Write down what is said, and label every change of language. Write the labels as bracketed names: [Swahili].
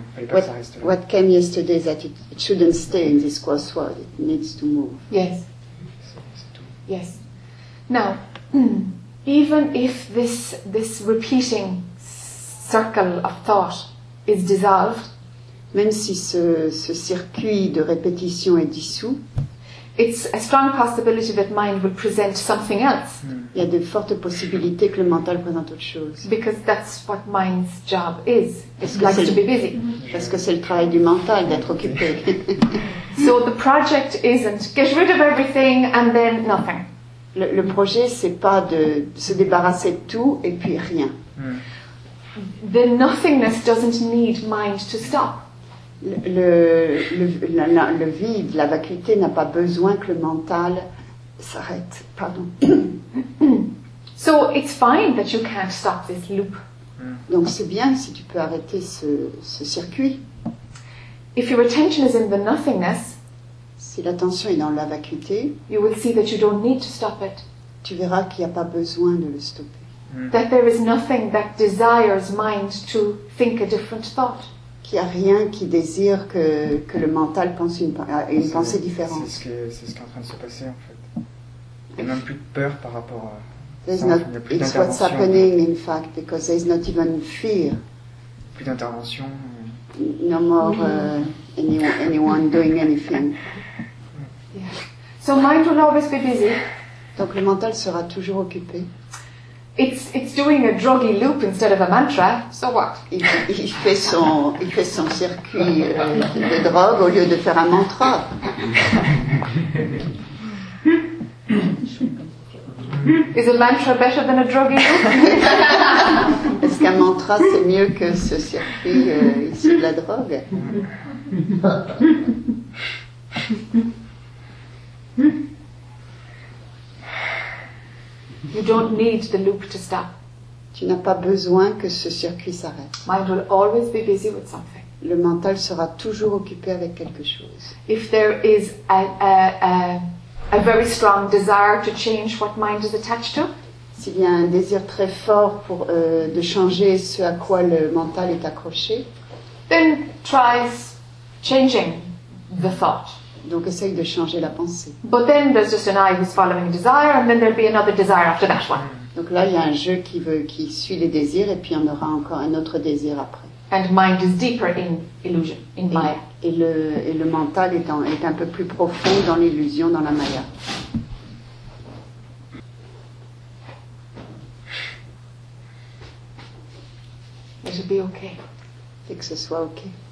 [English] Ouais, what came yesterday is that it shouldn't stay in this crossroad. It needs to move. Yes. [French] C'est tout. [English] Yes. Now, even if this repeating circle of thought is dissolved, [French] même si ce circuit de répétition est dissous. [English] It's a strong possibility that mind will present something else. [French] Il y a de fortes possibilités que le mental présente autre chose. [English] Because that's what mind's job is. It likes to be busy. [French] Parce que c'est le travail du mental d'être occupé. [English] So the project isn't get rid of everything and then nothing. [French] Le projet, c'est pas de se débarrasser de tout et puis rien. [English] The nothingness doesn't need mind to stop. [French] Le vide, la vacuité n'a pas besoin que le mental s'arrête. Pardon. [English] So it's fine that you can't stop this loop. [French] Donc c'est bien si tu peux arrêter ce circuit. [English] If your attention is in the nothingness, [French] si l'attention est dans la vacuité, [English] you will see that you don't need to stop it. [French] Tu verras qu'il n'y a pas besoin de le stopper. [English] That there is nothing that desires mind to think a different thought. [French] Qu'il n'y a rien qui désire que le mental pense une pensée différente. C'est ce qui est en train de se passer, en fait. Il n'y a même plus de peur par rapport à... [English] It's what's happening, in fact, because there's not even fear. [French] Plus d'intervention. [English] No more anyone doing anything. Yeah. So mind will always be busy. [French] Donc le mental sera toujours occupé. [English] It's doing a druggy loop instead of a mantra. So what? [French] Il fait son circuit de drogue au lieu de faire un mantra. [English] Is a mantra better than a druggy loop? [French] Est-ce qu'un mantra c'est mieux que ce circuit issu de la drogue? Mm. [English] You don't need the loop to stop. [French] Tu n'as pas besoin que ce circuit s'arrête. [English] Mind will always be busy with something. [French] Le mental sera toujours occupé avec quelque chose. [English] If there is a very strong desire to change what mind is attached to. [French] S'il y a un désir très fort pour de changer ce à quoi le mental est accroché, [English] then try changing the thought. [French] Donc essaye de changer la pensée. [English] But then there's just an eye who's following a desire, and then there'll be another desire after that one. [French] Donc là, il y a un jeu qui veut, qui suit les désirs, et puis on aura encore un autre désir après. [English] And mind is deeper in illusion, in Maya. [French] Et le mental est en, est un peu plus profond dans l'illusion, dans la Maya. [English] It should be okay. [French] Et que ce soit okay.